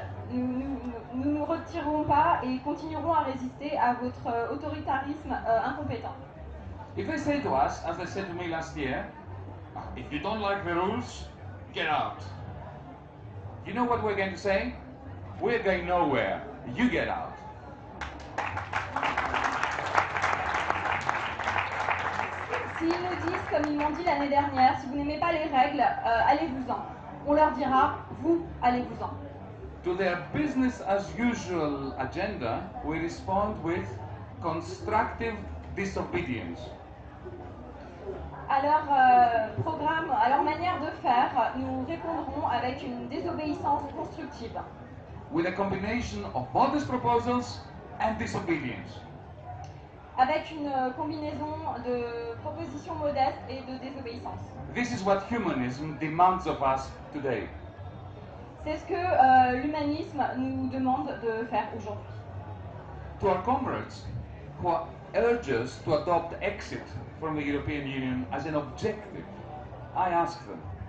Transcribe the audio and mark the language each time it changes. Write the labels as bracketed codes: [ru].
[fr] Nous ne nous retirerons pas et continuerons à résister à votre autoritarisme incompétent. [en] If they say to us, as they said to me last year, if you don't like the rules, get out. You know what we're going to say? We're going nowhere. You get out. [fr] S'ils nous disent, comme ils m'ont dit l'année dernière, si vous n'aimez pas les règles, allez-vous-en. On leur dira, vous, allez-vous-en. [en] To their business as usual agenda, we respond with constructive disobedience. [fr] À leur programme, à leur manière de faire, nous répondrons avec une désobéissance constructive. [en] With a combination of modest proposals and disobedience. [fr] Avec une combinaison de propositions modestes et de désobéissance. [en] This is what humanism demands of us today. [fr] C'est ce que l'humanisme nous demande de faire aujourd'hui. [en] To our comrades who urge us to adopt exit from the European Union as an objective, I ask them.